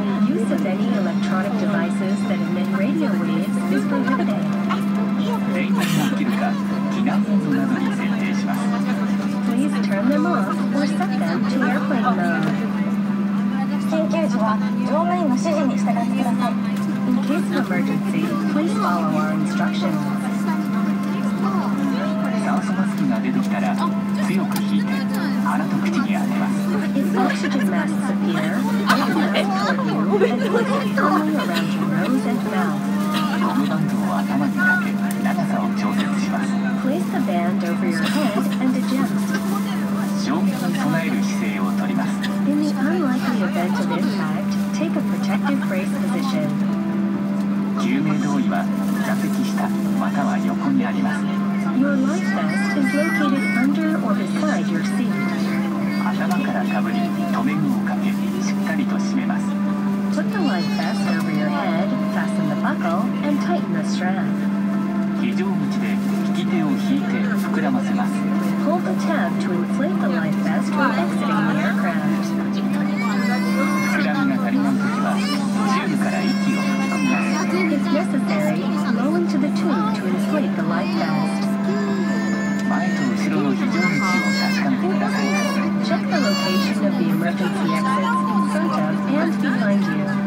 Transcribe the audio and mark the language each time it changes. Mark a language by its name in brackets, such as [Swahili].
[English] Use of any electronic devices that emit radio waves is prohibited. [Japanese] 電源を切るか、機内モードなどに設定します。 [English] Please turn them off or set them to airplane mode. [Japanese] 緊急時は乗務員の指示に従ってください。 [English] In case of emergency, please follow our instructions. [Japanese] 酸素マスクが出てきたら強く引いて鼻と口に当てます。 [English] If oxygen masks appear, please put it on around your nose and mouth. [Japanese] ゴムバンドを頭にかけ長さを調節します。 [English] Place the band over your head and adjust. [Japanese] 衝撃に備える姿勢をとります。 [English] In the unlikely event of impact, take a protective brace position. [Japanese] 救命胴衣は座席下または横にあります。 [English] Your life vest is located under or beside your seat. [Japanese] 頭からかぶり留め具をかけしっかりと締めます。 [English] Put the life vest over your head, fasten the buckle, and tighten the strap. [Japanese] 非常口で引き手を引いて膨らませます。 [English] Hold the tab to inflate the life vest while exiting the aircraft. [Japanese] 膨らみが足りない時はチューブから息を吹き込みます。 [English] If necessary, blow into the tube to inflate the life vest. Check the location of the emergency exits in front of and behind you.